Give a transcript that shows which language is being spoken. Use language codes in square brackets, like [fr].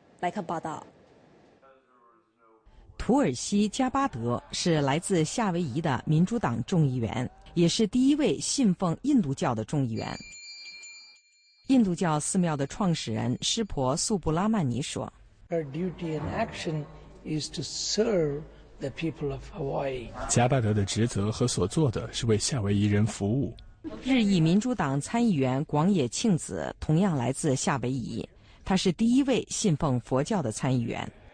[zh] 来看报道。土耳其加巴德是来自夏威夷的民主党众议员，也是第一位信奉印度教的众议员。印度教寺庙的创始人湿婆素布拉曼尼说 [en] Our duty and action is to serve the people of Hawaii. [zh] 加巴德的职责和所做的是为夏威夷人服务。日裔民主党参议员广野庆子同样来自夏威夷，他是第一位信奉佛教的参议员。